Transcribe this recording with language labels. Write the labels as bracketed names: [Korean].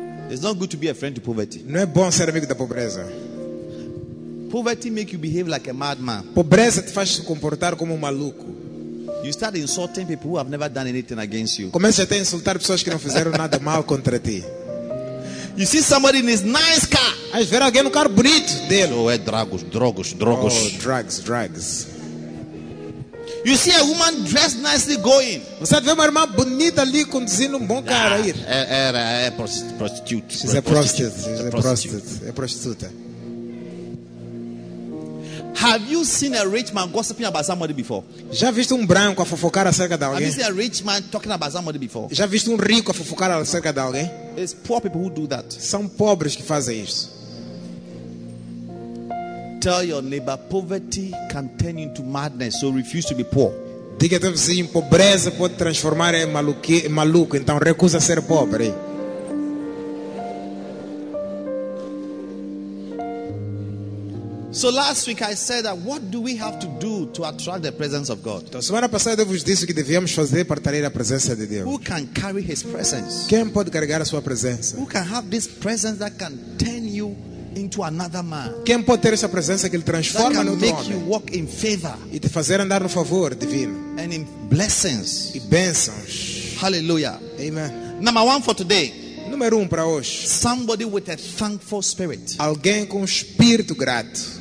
[English] It's not good to be a friend to poverty. [Portuguese] Não é bom ser amigo da pobreza. [English] Poverty make you behave like a madman. [Portuguese] Pobreza te faz comportar como maluco. [English] You start insulting people who have never done anything against you. [Portuguese] Começa a insultar pessoas que não fizeram nada mal contra ti. [English] You see somebody in his nice car. [Portuguese] Aí vê alguém no carro bonito dele. Oh, é drogas, drogas, drogas. [English] Oh, drugs, drugs. You see a woman dressed nicely going. [Portuguese] Você vê uma irmã bonita ali conduzindo bom carro aí. É prostituta. [English] She's a prostitute. Prostitute. [Portuguese] Prostituta. [English] Have you seen a rich man gossiping about somebody before? [Portuguese] Já viste branco a fofocar acerca de alguém? [English] Have you seen a rich man talking about somebody before? [Portuguese] Já viste rico a fofocar acerca de alguém? [English] It's poor people who do that. [Portuguese] São pobres que fazem isso. [English] Tell your neighbor, poverty can turn into madness, so refuse to be poor. [Portuguese] Diga teu vizinho, pobreza pode transformar em maluco, então recusa ser pobre. [English] So last week I said that what do we have to do to attract the presence of God? [Portuguese] Então semana passada eu vos disse que devíamos fazer para atrair a presença de Deus. [English] Who can carry His presence? [Portuguese] Quem pode carregar a sua presença? [English] Who can have this presence that can turn you into another man? [Portuguese] Quem pode ter essa presença que lhe transforma no outro homem? [English] You walk in favor [Portuguese] e te fazer andar no favor divino. [English] And in blessings. [Portuguese] E bênçãos. Hallelujah. Amen. [English] Number one for today. [Portuguese] Número um para hoje. [English] Somebody with a thankful spirit. [Portuguese] Alguém com espírito grato.